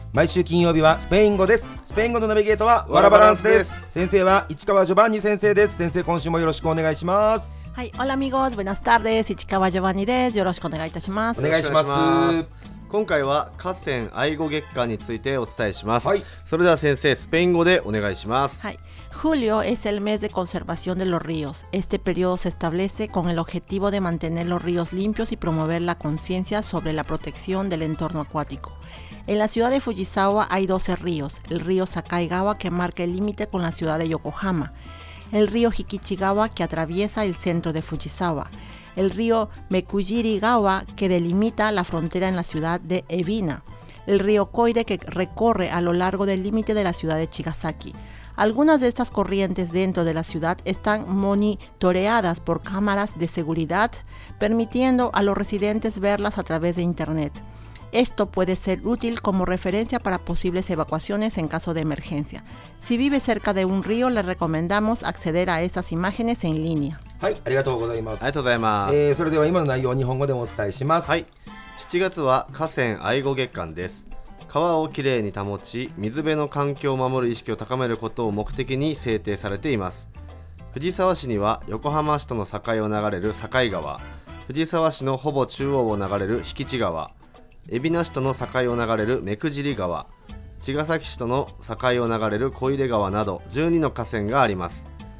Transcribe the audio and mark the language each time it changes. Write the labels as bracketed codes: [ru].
[ja] 毎週金曜日はスペイン語です。スペイン語のナビゲートはワラバランスです。先生は市川ジョバンニ先生です。先生、今週もよろしくお願いします。はい、オラミゴーズブナスターです。市川ジョバンニです。よろしくお願いいたします。お願いします。今回は河川愛護月間についてお伝えします、はい、それでは先生、スペイン語でお願いします。 [es] はい、Julio es el mes de conservación de los ríos. Este periodo se establece con el objetivo de mantener los ríos limpios y promover la conciencia sobre la protección del entorno acuático. En la ciudad de Fujisawa hay 12 ríos. El río Sakaigawa, que marca el límite con la ciudad de Yokohama. El río Hikichigawa, que atraviesa el centro de Fujisawa. El río Mekujirigawa, que delimita la frontera en la ciudad de Ebina. El río Koide, que recorre a lo largo del límite de la ciudad de Chigasaki. Algunas de estas corrientes dentro de la ciudad están monitoreadas por cámaras de seguridad, permitiendo a los residentes verlas a través de internet. Esto puede ser útil como referencia para posibles evacuaciones en caso de emergencia. Si vive cerca de un río, le recomendamos acceder a esas imágenes en línea. [ja] はい、ありがとうございます。ありがとうございます。それでは今の内容を日本語でもお伝えします。はい。 7月は河川愛護月間です。川をきれいに保ち、水辺の環境を守る意識を高めることを目的に制定されています。藤沢市には横浜市との境を流れる境川、藤沢市のほぼ中央を流れる引地川、海老名市との境を流れる目くじり川、茅ヶ崎市との境を流れる小出川など12の河川があります。